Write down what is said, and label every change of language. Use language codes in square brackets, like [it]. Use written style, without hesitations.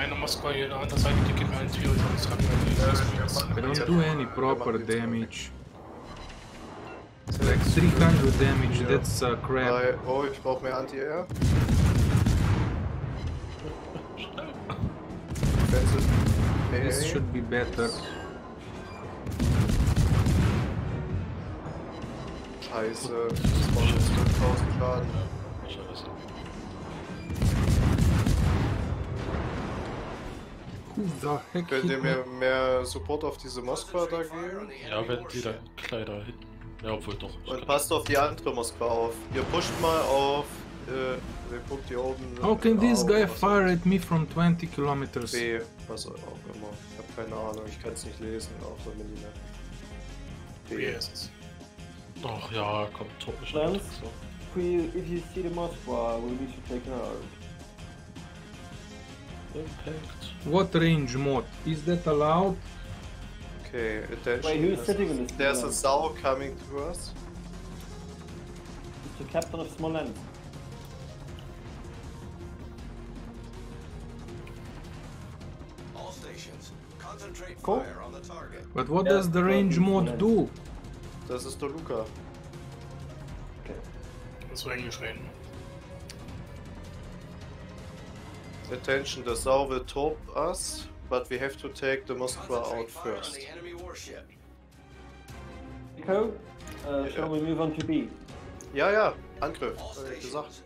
[en] I don't do any proper damage. Select 300 damage, that's crap. [de] Oh, ich brauch mehr Anti-Air. [en] This should be better. [de] Scheiße, das braucht jetzt 5000 Schaden. [en] The heck, [de] könnt ihr mehr Support auf diese Moskva da geben? Ja, wenn die dann kleiner hinten. Ja, obwohl doch. Und passt auf die andere Moskva auf. Ihr pusht mal auf den Punkt hier oben. [en] How can this guy fire at me from 20 kilometers? [de] B, was auch immer. Ich hab keine Ahnung, ich kann's nicht lesen auf der Minimap. B ist es. Ach ja, kommt top. Lance, so. [en] If you see the Moskva, we need to take her out. Impact. What range mode? Is that allowed? Okay, attention. Wait, who's sitting in this? There's a Sau coming to us. It's the captain of Smolensk. All stations, concentrate cool. Fire on the target. But what does the range mode do? [de] Das ist der Luca. Okay. Das war Englisch reden. [en] Attention, the Sau will top us, but we have to take the Moskva out first. Nico, yeah. Shall we move on to B? [de] Ja, ja, Angriff, wie gesagt.